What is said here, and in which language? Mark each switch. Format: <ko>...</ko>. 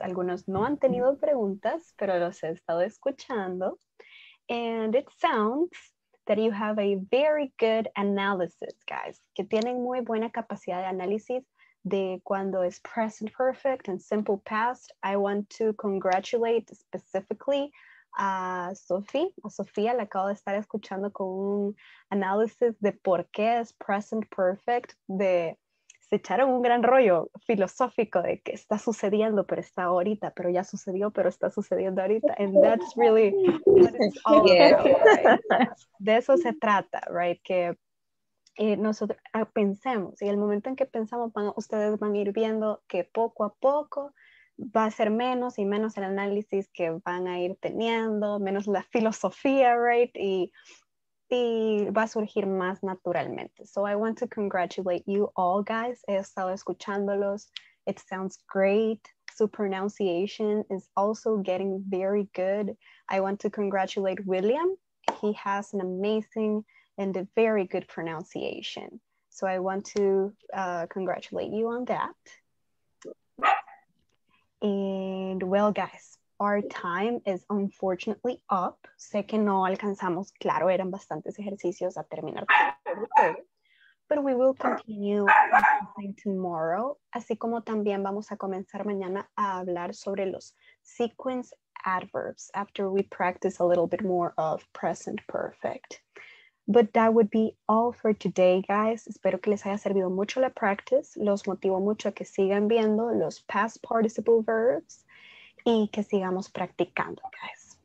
<es>Algunos no han tenido preguntas, pero los he estado escuchando.</es> <en>And it sounds that you have a very good analysis, guys.</en> <es>Que tienen muy buena capacidad de análisis de cuando es present perfect and simple past.</es> <en>I want to congratulate specifically</en> <es>a Sofía, la acabo de estar escuchando con un análisis de por qué es present perfect, de se echaron un gran rollo filosófico de que está sucediendo, pero está ahorita, pero ya sucedió, pero está sucediendo ahorita.</es> <en>And that's really what it's all about, right?</en> <es>De eso se trata, right? Que nosotros pensemos, y el momento en que pensamos, ustedes van a ir viendo que poco a poco va a ser menos y menos el análisis que van a ir teniendo, menos la filosofía, right? Y va a surgir más naturalmente.</es> <en>So I want to congratulate you all, guys.</en> <es>He estado escuchándolos.</es> <en>It sounds great. Su pronunciation is also getting very good. I want to congratulate William. He has an amazing and a very good pronunciation. So I want to congratulate you on that. And well, guys, our time is unfortunately up.</en> <es>Sé que no alcanzamos, claro, eran bastantes ejercicios a terminar.</es> <en>But we will continue tomorrow.</en> <es>Así como también vamos a comenzar mañana a hablar sobre los</es> <en>sequence adverbs after we practice a little bit more of present perfect. But that would be all for today, guys.</en> <es>Espero que les haya servido mucho la practice. Los motivo mucho a que sigan viendo los past participle verbs y que sigamos practicando, guys.</es>